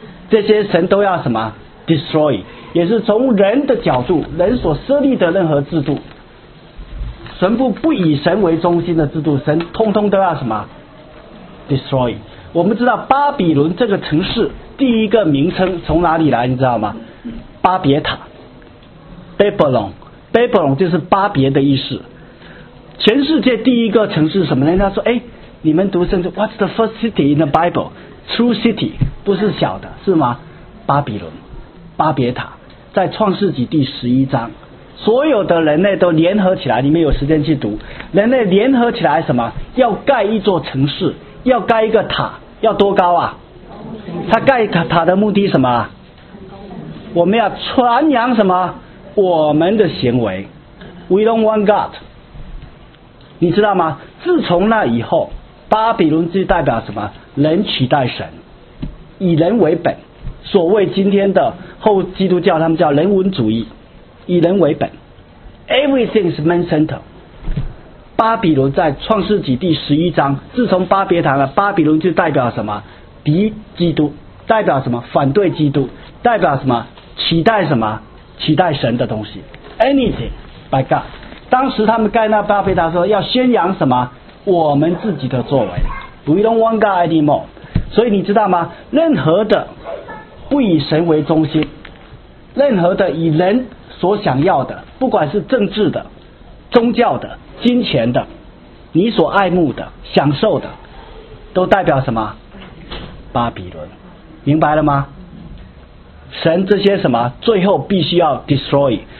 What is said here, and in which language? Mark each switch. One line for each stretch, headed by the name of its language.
Chinese: 这些神都要什么 ？
English: Destroy。
Chinese: 也是从人的角度，人所设立的任何制度，全部不以神为中心的制度，神通通都要什么 ？Destroy。我们知道巴比伦这个城市第一个名称从哪里来，你知道吗？巴别塔 ，Babylon，Babylon 就是巴别的意思。全世界第一个城市什么呢？人家说，哎，你们读圣经 ，
English: What's the first city in the Bible？ True city，
Chinese: 不是小的，是吗？巴比伦，巴别塔，在创世纪第十一章，所有的人类都联合起来，你们有时间去读，人类联合起来什么？要盖一座城市。要盖一个塔，要多高啊？他盖塔的目的什么？我们要传扬什么？我们的行为 ，
English: We don't want God。
Chinese: 你知道吗？自从那以后，巴比伦就代表什么？人取代神，以人为本。所谓今天的后基督教，他们叫人文主义，以人为本 ，
English: Everything is man centered。
Chinese: 巴比伦在创世纪第十一章，自从巴别塔了，巴比伦就代表什么？敌基督，代表什么？反对基督，代表什么？期待什么？期待神的东西 ，
English: anything by God。
Chinese: 当时他们盖那巴别塔说要宣扬什么？我们自己的作为 ，
English: we don't want God anymore。
Chinese: 所以你知道吗？任何的不以神为中心，任何的以人所想要的，不管是政治的、宗教的、金钱的，你所爱慕的、享受的，都代表什么？巴比伦，明白了吗？神这些什么，最后必须要
English: destroy。